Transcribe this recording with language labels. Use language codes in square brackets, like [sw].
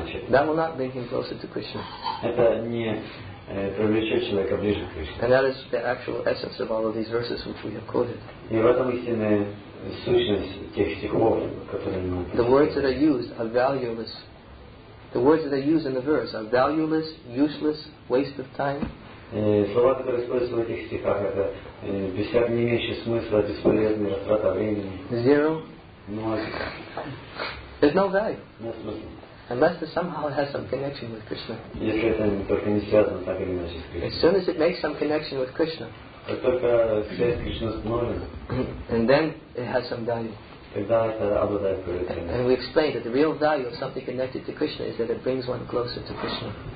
[en] That will not bring him closer to Krishna. And that is the actual essence of all of these verses which we have quoted. The words that are used are valueless. The words that are used in the verse are valueless, useless, waste of time. [ru] Слова, которые используются в этих стихах, это без всякого не имеющие смысла, бесполезные, растрата времени. [en] Zero. [ru] Ноль. [en] There's no value. [ru] Нет смысла. [en] Unless it somehow has some connection with Krishna. [ru] Если это только не связано так или иначе с Кришной. [en] As soon as it makes some connection with Krishna. [ru] Как только связь с Кришной установлена. [en] And then it has some value. And we explained that the real value of something connected to Krishna is that it brings one closer to Krishna.